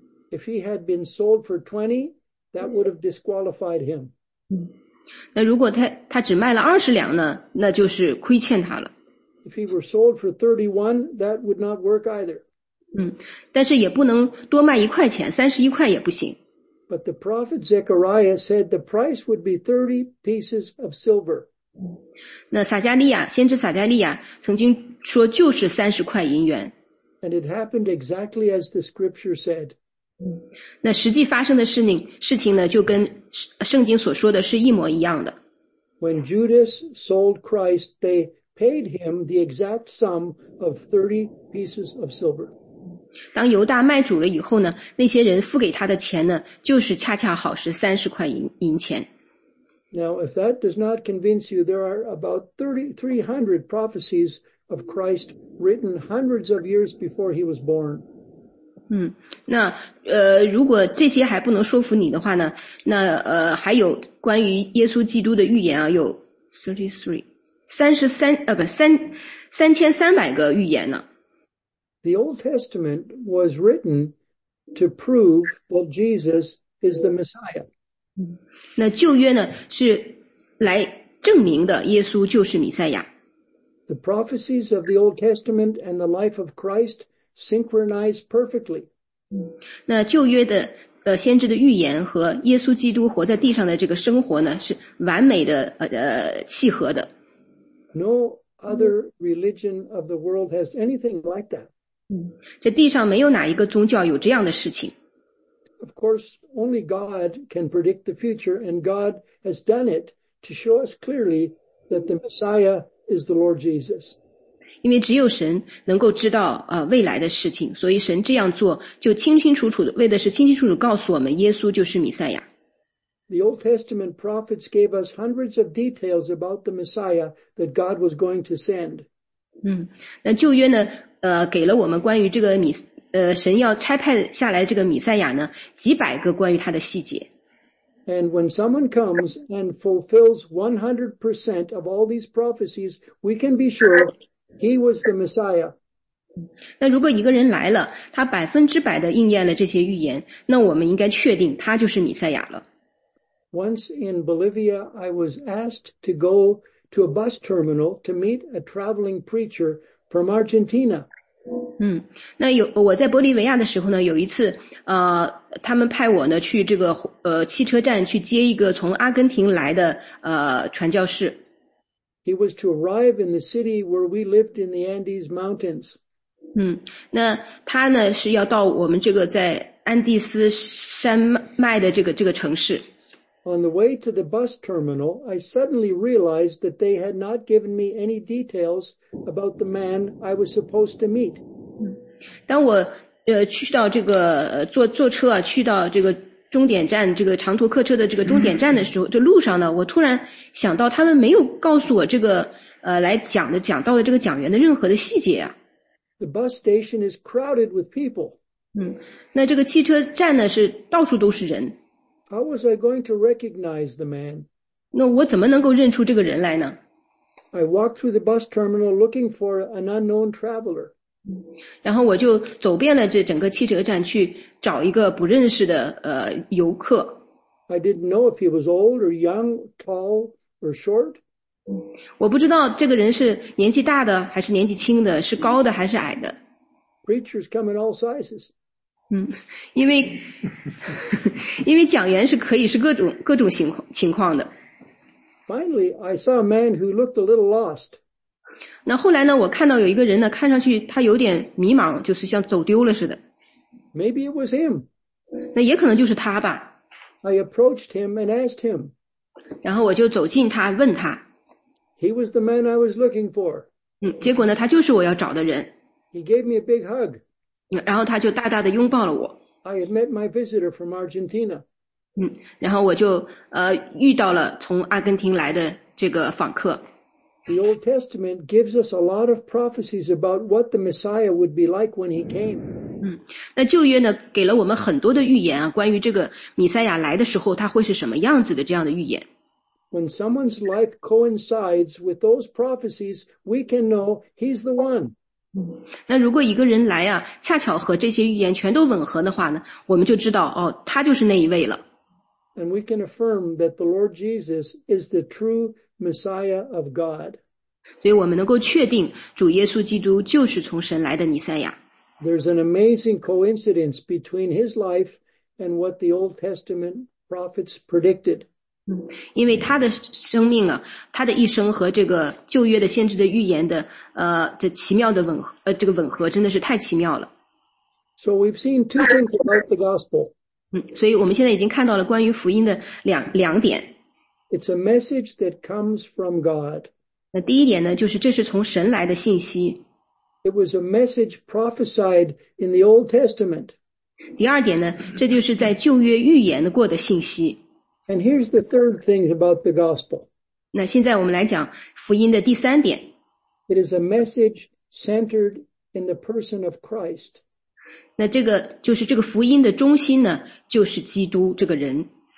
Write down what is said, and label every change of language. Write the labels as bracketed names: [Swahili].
[English] If he had been sold for 20, that would have disqualified him. [Chinese] 那如果他只卖了20两呢，那就是亏欠他了。 [English] If he were sold for 31, that would not work either. [Chinese] 但是也不能多卖一块钱，31块也不行。 [English] But the prophet Zechariah said the price would be 30 pieces of silver. [Chinese] 那撒迦利亚，先知撒迦利亚曾经说就是30块银元。 [English] And it happened exactly as the scripture said. [Chinese] 那实际发生的事情呢，就跟圣经所说的是一模一样的。 [English] When Judas sold Christ, they paid him the exact sum of 30 pieces of silver. [Chinese] 当犹大卖主了以后呢，那些人付给他的钱呢，就是恰恰好是30块银钱。 [English] Now, if that does not convince you, there are about 300 prophecies of Christ written hundreds of years before he was born. [Chinese] 那如果这些还不能说服你的话呢，那还有关于耶稣基督的预言啊，有3300个预言呢。 [English] The Old Testament was written to prove that Jesus is the Messiah. [Chinese] 那旧约呢，是来证明的耶稣就是弥赛亚。 [English] The prophecies of the Old Testament and the life of Christ synchronized perfectly. [Chinese] 那旧约的先知的预言和耶稣基督活在地上的这个生活呢，是完美的契合的。 [English] No other religion of the world has anything like that. [Chinese] 这地上没有哪一个宗教有这样的事情。 [English] Of course, only God can predict the future, and God has done it to show us clearly that the Messiah is the Lord Jesus. [Chinese] 因为只有神能够知道未来的事情，所以神这样做就清清楚楚的，为的是清清楚楚告诉我们耶稣就是弥赛亚。 [English] The Old Testament prophets gave us hundreds of details about the Messiah that God was going to send. [Chinese] 那旧约呢，给了我们关于这个神要差派下来这个弥赛亚呢，几百个关于他的细节。 [English] And when someone comes and fulfills 100% of all these prophecies, we can be sure he was the Messiah. [Chinese] 那如果一个人来了，他百分之百的应验了这些预言，那我们应该确定他就是弥赛亚了。 [English] Once in Bolivia, I was asked to go to a bus terminal to meet a traveling preacher from Argentina. [Chinese] 那我在玻利维亚的时候呢，有一次他们派我呢去这个汽车站去接一个从阿根廷来的传教士。 [English] He was to arrive in the city where we lived in the Andes Mountains. [Chinese] 那他呢是要到我们这个在安第斯山脉的这个城市。 [English] On the way to the bus terminal, I suddenly realized that they had not given me any details about the man I was supposed to meet. [Chinese] 当我去到这个坐车啊，去到这个终点站，这个长途客车的这个终点站的时候，这路上呢，我突然想到他们没有告诉我这个来讲到的这个讲员的任何的细节啊。 [English] The bus station is crowded with people. [Chinese] 那这个汽车站呢是到处都是人。 [English] How was I going to recognize the man? [Chinese] 那我怎么能够认出这个人来呢？ [English] I walked through the bus terminal looking for an unknown traveler. [Chinese] 然后我就走遍了这整个汽车站去找一个不认识的游客。 [English] I didn't know if he was old or young, tall or short. [Chinese] 我不知道这个人是年纪大的还是年纪轻的，是高的还是矮的。 [English] Preachers come in all sizes. [Chinese] 因为讲员是可以是各种情况的。 [English] Finally, I saw a man who looked a little lost. [Chinese] 那后来呢，我看到有一个人呢，看上去他有点迷茫，就是像走丢了似的。 [English] Maybe it was him. [Chinese] 那也可能就是他吧。 [English] I approached him and asked him. [Chinese] 然后我就走近他，问他。 [English] He was the man I was looking for. [Chinese] 结果呢，他就是我要找的人。 [English] He gave me a big hug. [Chinese] 然后他就大大的拥抱了我。 [English] I had met my visitor from Argentina. [Chinese] 然后我就遇到了从阿根廷来的这个访客。 [English] The Old Testament gives us a lot of prophecies about what the Messiah would be like when he came. [Chinese] 那旧约呢，给了我们很多的预言啊，关于这个弥赛亚来的时候他会是什么样子的这样的预言。 [English] When someone's life coincides with those prophecies, we can know he's the one. [Chinese] 那如果一个人来啊，恰巧和这些预言全都吻合的话呢，我们就知道哦，他就是那一位了。 [English] And we can affirm that the Lord Jesus is the true Messiah of God. [Chinese] 所以我们能够确定主耶稣基督就是从神来的弥赛亚。 [English] There's an amazing coincidence between his life and what the Old Testament prophets predicted. [Chinese] 因为他的生命啊，他的一生和这个旧约的先知的预言的这奇妙的吻合，这个吻合真的是太奇妙了。 [English] So we've seen two things about the gospel. [Chinese] 所以我们现在已经看到了关于福音的两点。 [English] It's a message that comes from God. [Chinese] 那第一点呢，就是这是从神来的信息。 [English] It was a message prophesied in the Old Testament. [Chinese] 第二点呢，这就是在旧约预言过的信息。 [English] And here's the third thing about the gospel. [Chinese] 那现在我们来讲福音的第三点。 [English] It is a message centered in the person of Christ. [Chinese] 那这个就是这个福音的中心呢，就是基督这个人。